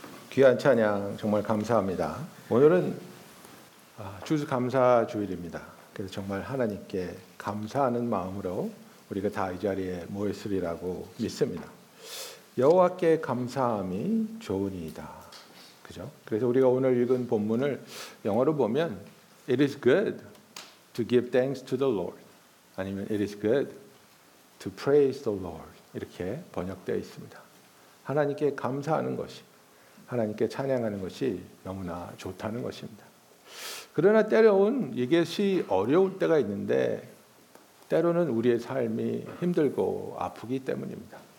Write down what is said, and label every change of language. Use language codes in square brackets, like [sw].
[ko] 귀한 찬양 정말 감사합니다. 오늘은 주수 감사 주일입니다. 그래서 정말 하나님께 감사하는 마음으로 우리가 다 이 자리에 모였으리라고 믿습니다. 여호와께 감사함이 좋으니이다. 그죠? 그래서 우리가 오늘 읽은 본문을 영어로 보면 [en] It is good to give thanks to the Lord [ko] 아니면 [en] It is good to praise the Lord [ko] 이렇게 번역되어 있습니다. 하나님께 감사하는 것이 하나님께 찬양하는 것이 너무나 좋다는 것입니다. 그러나 때로는 이것이 어려울 때가 있는데 때로는 우리의 삶이 힘들고 아프기 때문입니다.